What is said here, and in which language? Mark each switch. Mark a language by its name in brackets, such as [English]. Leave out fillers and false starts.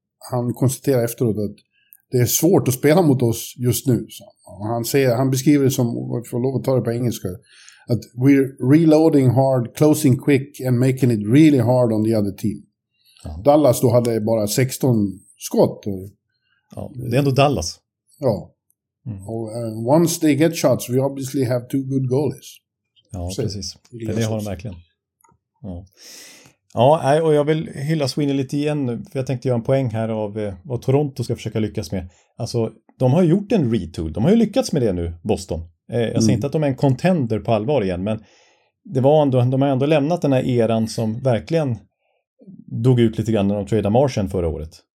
[Swedish] Han konstaterar efteråt att det är svårt att spela mot oss just nu. Han beskriver det som, jag får lov att ta det på engelska, att [English] we're reloading hard, closing quick and making it really hard on the other team. Ja. [Swedish] Dallas då hade bara 16 skott. Och, ja, det är ändå Dallas. Ja. Mm. [English] Och, once they get shots, we obviously have two good goalies. [Swedish] Ja, så, precis. Det har de verkligen. Ja. Ja, och jag vill hylla Sweeney lite igen. För jag tänkte göra en poäng här av vad Toronto ska försöka lyckas med. Alltså, de har gjort en retool. De har ju lyckats med det nu, Boston. Jag ser inte att de är en contender på allvar igen, men det var ändå, de har ändå lämnat den här eran som verkligen dog ut lite grann när de tradade Marchand förra året.